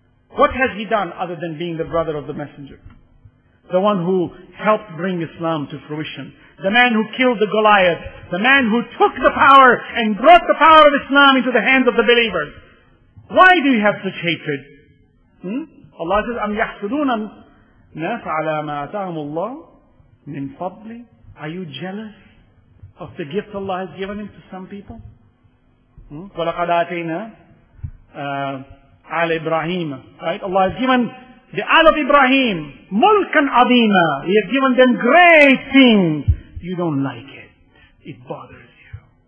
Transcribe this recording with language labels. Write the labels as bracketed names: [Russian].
[English] What has he done other than being the brother of the messenger? The one who helped bring Islam to fruition. The man who killed the Goliath. The man who took the power and brought the power of Islam into the hands of the believers. Why do you have such hatred? Allah says, [Arabic] أَمْ يَحْسُدُونَ النَّاسَ عَلَى مَا أَتَاهُمُ اللَّهُ مِنْ فَضْلِهِ [English] Are you jealous of the gift Allah has given him to some people? [Arabic] وَلَقَدْ آتَيْنَا آلَ إِبْرَاهِيمَ. [English] Right? Allah has given the Al of Ibrahim [Arabic] مُلْكًا عَظِيمًا. [English] He has given them great things. You don't like it. It bothers you.